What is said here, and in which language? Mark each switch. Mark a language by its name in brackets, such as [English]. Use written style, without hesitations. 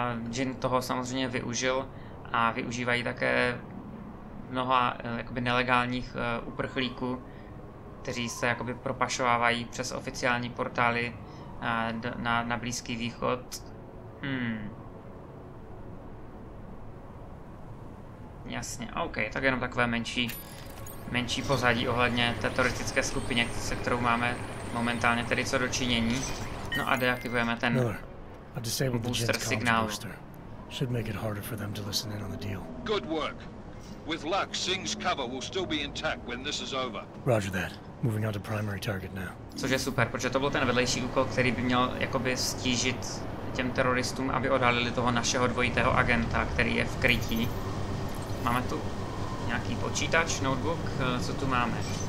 [Czech] Jin toho samozřejmě využil a využívají také mnoha jakoby nelegálních uprchlíků, kteří se jakoby propašovávají přes oficiální portály na Blízký východ. Jasně, OK, tak jenom takové menší pozadí ohledně té teroristické skupině, se kterou máme momentálně tedy co dočinění. No a deaktivujeme ten booster signál. [English] Should make it harder for them to listen in on the deal. Good work. With luck, Singh's cover will still be intact when this is over. Roger that. Moving on to primary target now. [Czech] Což je super, protože to byl ten vedlejší úkol, který by měl jakoby stížit těm teroristům, aby odhalili toho našeho dvojitého agenta, který je v krytí. Máme tu nějaký počítač, notebook, co tu máme?